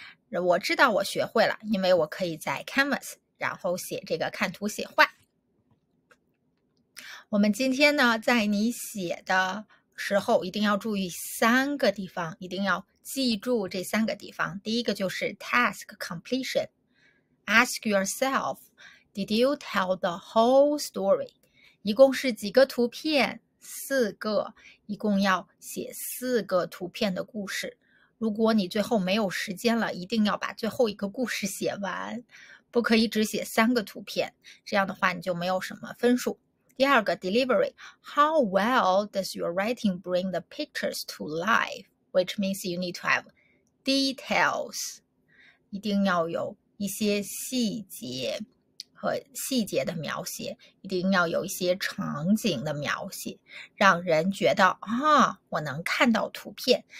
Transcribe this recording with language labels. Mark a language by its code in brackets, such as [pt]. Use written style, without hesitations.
[zh] 我知道我学会了，因为我可以在 Canvas 然后写这个看图写画。我们今天呢，在你写的时候一定要注意三个地方，一定要记住这三个地方。第一个就是 task completion。 [en] Ask yourself, did you tell the whole story？ [zh] 一共是几个图片？四个，一共要写四个图片的故事。如果你最后没有时间了，一定要把最后一个故事写完，不可以只写三个图片，这样的话你就没有什么分数。第二个 delivery， [en] How well does your writing bring the pictures to life？Which means you need to have details， [zh] 一定要有一些细节和细节的描写，一定要有一些场景的描写，让人觉得啊，我能看到图片。